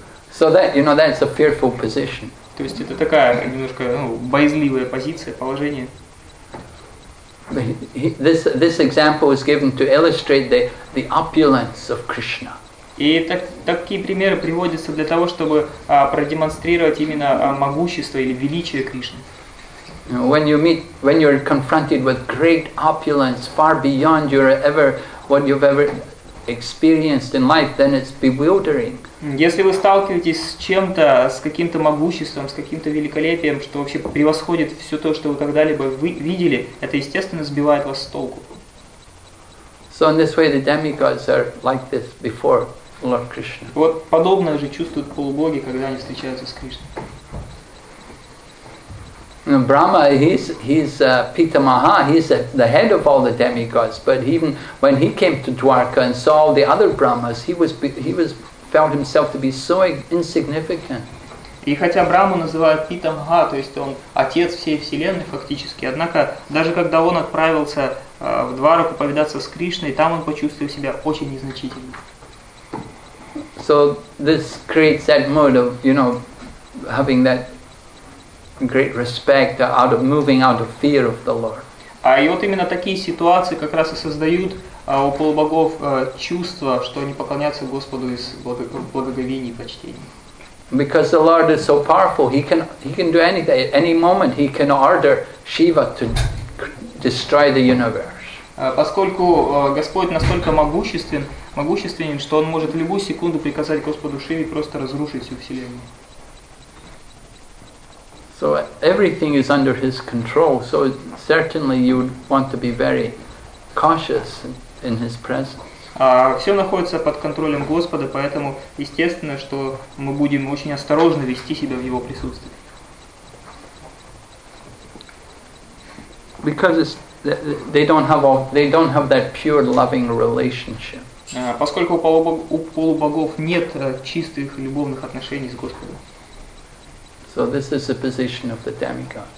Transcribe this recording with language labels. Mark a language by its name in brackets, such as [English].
[English] So that, you know, that's a fearful position. [Russian] То есть это такая немножко боязливая позиция, положение. [English] This example is given to illustrate the opulence of Krishna. [Russian] И такие примеры приводятся для того, чтобы продемонстрировать именно могущество или величие Кришны. [English] When you're confronted with great opulence far beyond what you've ever experienced in life, then it's bewildering. [Russian] Если вы сталкиваетесь с чем-то, с каким-то могуществом, с каким-то великолепием, что вообще превосходит все то, что вы когда-либо видели, это естественно сбивает вас с толку. [English] So in this way the demigods are like this before Lord Krishna. [Russian] Вот подобное же чувствуют полубоги, когда они встречаются с Кришной. [English] Brahma, he's Pitamaha, he's the head of all the demigods. But even when he came to Dwarka and saw all the other Brahmas, he felt himself to be so insignificant. [Russian] И хотя Браму называют Питамаха, то есть он отец всей вселенной фактически, однако даже когда он отправился в Двараку повидаться с Кришной, там он почувствовал себя очень незначительным. [English] So this creates that mood of, you know, having that great respect out of moving out of fear of the Lord. [Russian] А и вот именно такие ситуации как раз и создают у полубогов чувство, что они поклоняются Господу из благоговения и почтения. [English] Because the Lord is so powerful, he can do anything. At any moment he can order Shiva to destroy the universe. [Russian] Поскольку Господь настолько могущественен, что он может в любую секунду приказать Господу Шиве просто разрушить всю вселенную. [English] So everything is under his control, so certainly you would want to be very cautious in his presence. [Russian] Все находится под контролем Господа, поэтому естественно, что мы будем очень осторожно вести себя в его присутствии. [English] Because they don't have that pure loving relationship. [Russian] Поскольку у полубогов нет чистых любовных отношений с Господом. [English] So this is the position of the demigods.